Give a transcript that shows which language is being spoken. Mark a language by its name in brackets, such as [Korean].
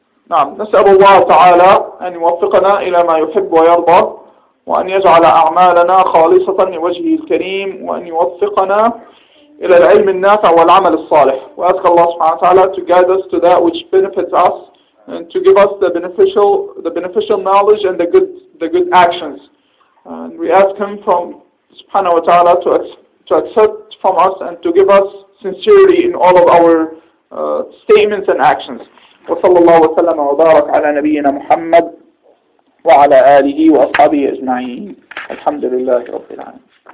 [Arabic] نعم نسأل الله تعالى أن يوفقنا إلى ما يحب ويرضى وأن يجعل أعمالنا خالصة لوجهه الكريم وأن يوفقنا إلى العلم النافع والعمل الصالح. وأسك الله سبحانه وتعالى [English] to guide us to that which benefits us and to give us the beneficial knowledge and the good actions. And we ask him from سبحانه وتعالى to accept from us and to give us sincerity in all of our statements and actions. [Arabic] وصلى الله وسلم وبارك على نبينا محمد وعلى آله وأصحابه أجمعين الحمد لله رب العالمين